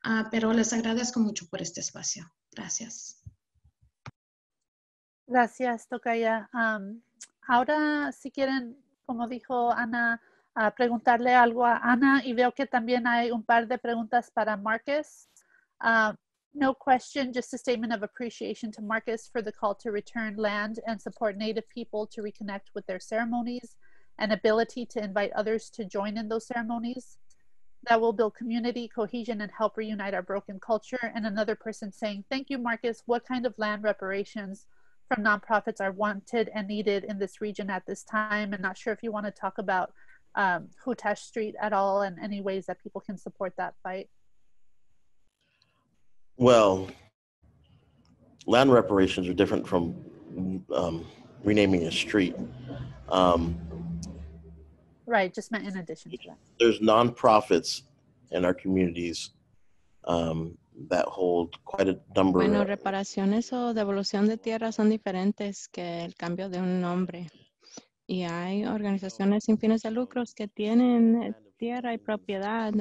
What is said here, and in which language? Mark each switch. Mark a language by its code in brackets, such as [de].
[es] Pero les agradezco mucho por este espacio. Gracias. Gracias, Tocaya. Ahora, si quieren, como dijo Ana, a preguntarle algo a Ana, y veo que también hay un par de preguntas para Marcus. [en] No question, just a statement of appreciation to Marcus for the call to return land and support Native people to reconnect with their ceremonies and ability to invite others to join in those ceremonies that will build community, cohesion, and help reunite our broken culture. And another person saying, thank you, Marcus. What kind of land reparations from nonprofits are wanted and needed in this region at this time? And not sure if you want to talk about Hutesh Street at all and any ways that people can support that fight. Well, land reparations are different from renaming a street. Right, just meant in addition to that. There's nonprofits in our communities that hold quite a number. [es] Bueno, reparaciones o devolución de tierras son diferentes que el cambio de un nombre. Y hay organizaciones sin fines de lucros que tienen tierra y propiedad.